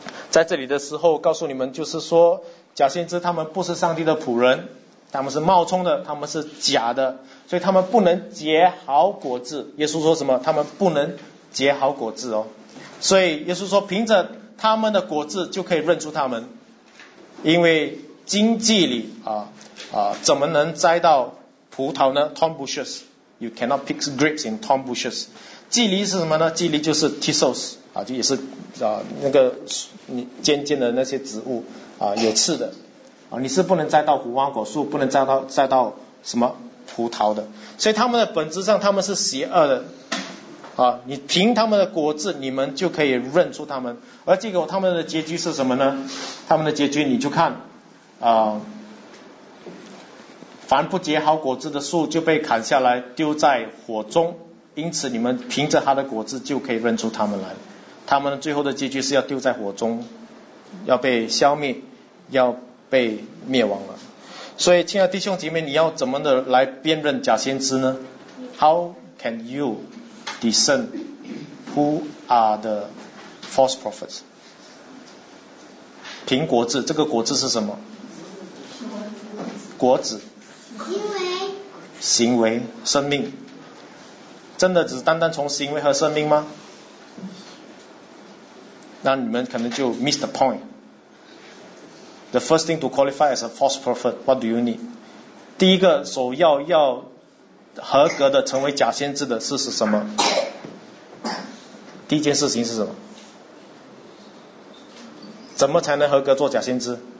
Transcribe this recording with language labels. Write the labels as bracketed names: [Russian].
[Chinese] 在这里的时候告诉你们，就是说假先知他们不是上帝的仆人，他们是冒充的，他们是假的，所以他们不能结好果子。耶稣说什么？他们不能结好果子哦。所以耶稣说凭着他们的果子就可以认出他们，因为荆棘里怎么能摘到葡萄呢？ [English] Thorn bushes, you cannot pick grapes in thorn bushes。 [Chinese] 蒺藜是什么呢？蒺藜就是 thistles 啊，就也是那个尖尖的那些植物啊，有刺的啊，你是不能摘到无花果树，不能摘到什么葡萄的。所以他们的本质上他们是邪恶的啊，你凭他们的果子你们就可以认出他们。而结果他们的结局是什么呢？他们的结局你就看啊，凡不结好果子的树就被砍下来丢在火中，因此你们凭着他的果子就可以认出他们来。他们最后的结局是要丢在火中，要被消灭，要被灭亡了。所以亲爱的弟兄姐妹，你要怎么的来辨认假先知呢？ [English] How can you discern who are the false prophets? [Chinese] 苹果子，这个果子是什么？果子，行为，生命。真的只单单从行为和生命吗？那你们可能就 [English] miss the point。 The first thing to qualify as a false prophet, what do you need? [Chinese] 第一个首要要合格的成为假先知的是什么？第一件事情是什么？怎么才能合格做假先知？